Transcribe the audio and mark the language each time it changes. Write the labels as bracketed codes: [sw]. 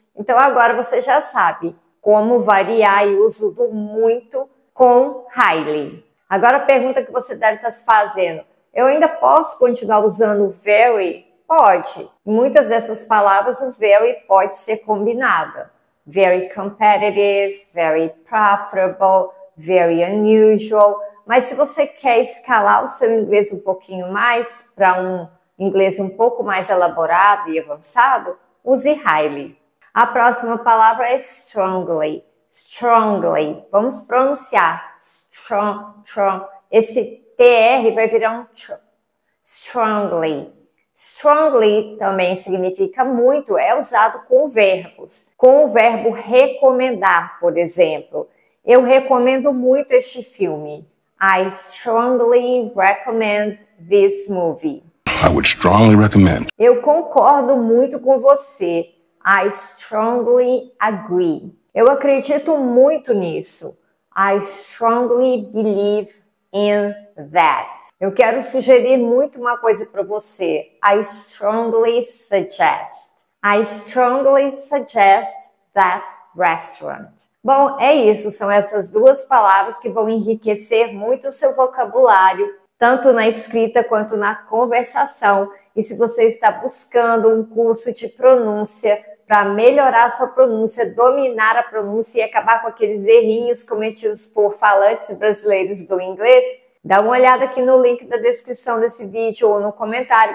[pt] Então agora você já sabe como variar o uso do muito com highly. Agora a pergunta que você deve estar se fazendo: eu ainda posso continuar usando very? Pode. Em muitas dessas palavras, o very pode ser combinada. [en] Very competitive, very profitable, very unusual. [pt] Mas se você quer escalar o seu inglês um pouquinho mais para um inglês um pouco mais elaborado e avançado, use highly. A próxima palavra é strongly. [en] Strongly. [pt] Vamos pronunciar. [en] Strong, strong. [pt] Esse TR vai virar um tr. Strongly. Strongly também significa muito, é usado com verbos. Com o verbo recomendar, por exemplo. Eu recomendo muito este filme. [en] I strongly recommend this movie. I would strongly recommend. [pt] Eu concordo muito com você. [en] I strongly agree. [pt] Eu acredito muito nisso. [en] I strongly believe in that. [pt] Eu quero sugerir muito uma coisa para você. [en] I strongly suggest. I strongly suggest that restaurant. [pt] Bom, é isso. São essas duas palavras que vão enriquecer muito o seu vocabulário, tanto na escrita quanto na conversação. E se você está buscando um curso de pronúncia para melhorar a sua pronúncia, dominar a pronúncia e acabar com aqueles errinhos cometidos por falantes brasileiros do inglês, dá uma olhada aqui no link da descrição desse vídeo ou no comentário.